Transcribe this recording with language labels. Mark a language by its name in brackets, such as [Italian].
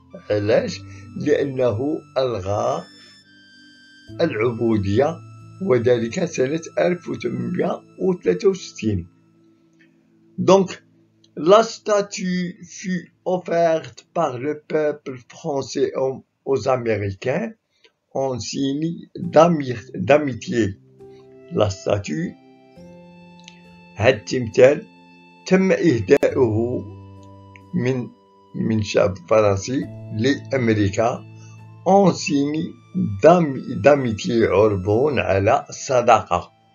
[Arabic] علاش؟ لأنه ألغى العبودية وذلك سنة 1863. [French] Donc, la statue fut offerte par le peuple français aux Américains en signe d'amitié. La statue, [Arabic] هاد التمثال تم إهدائه من شعب فرنسي لأمريكا [French] en signe d'amitié [Arabic] عربون على صداقة.